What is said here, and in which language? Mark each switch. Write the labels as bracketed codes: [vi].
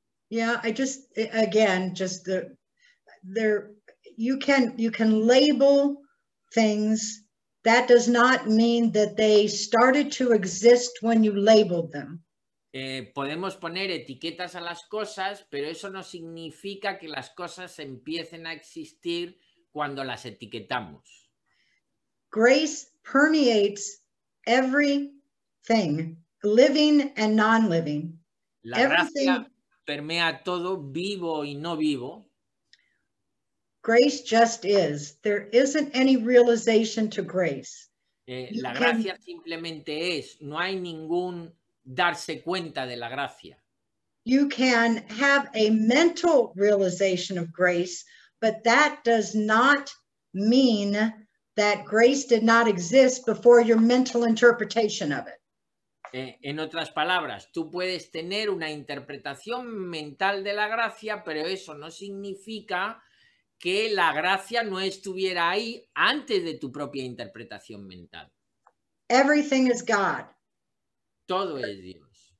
[en] Yeah, I just, again, just you can label things. That does not mean that they started to exist when you labeled them. [es] Podemos poner etiquetas a las cosas, pero eso no significa que las cosas empiecen a existir cuando las etiquetamos. [en] Grace permeates everything, living and non-living. [es] La gracia permea todo, vivo y no vivo. [en] Grace just is. There isn't any realization to grace. [es] La gracia simplemente es. No hay ningún darse cuenta de la gracia. [en] You can have a mental realization of grace, but that does not mean that grace did not exist before your mental interpretation of it. [es] En otras palabras, tú puedes tener una interpretación mental de la gracia, pero eso no significa que la gracia no estuviera ahí antes de tu propia interpretación mental. [en] Everything is God. [es] Todo es Dios.